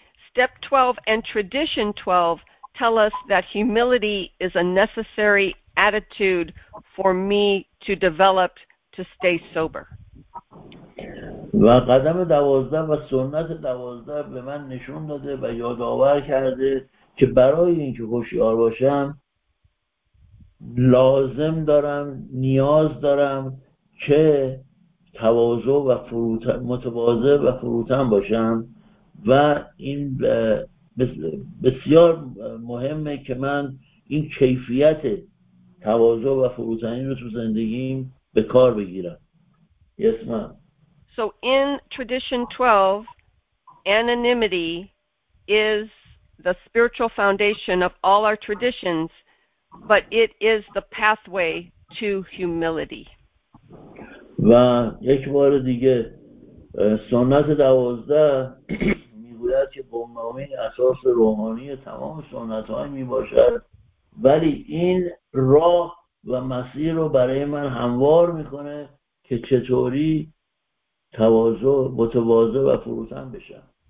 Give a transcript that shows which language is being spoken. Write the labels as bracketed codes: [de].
[en] Step 12 and Tradition 12 tell us that humility is a necessary attitude for me to develop to stay sober. [fa] و قدم 12 و سنت 12 به من نشون داده و یادآور کرده که برای اینکه هوشیار باشم لازم دارم، نیاز دارم که تواضع و فروتن، متواضع و فروتن باشم و این بسیار مهمه که من این کیفیت تواضع و فروتنی رو تو زندگیم به کار بگیرم. [en] Yes, ma'am. So in tradition 12, anonymity is the spiritual foundation of all our traditions, but it is the pathway to humility. [fa] و یک بار دیگه سنت 12 میگوید که بنامه اساس روحانی تمام سنت های میباشد، ولی این راه و مسیر رو برای من هموار میکنه که چطوری تواضع متواضع و فروتن بشم.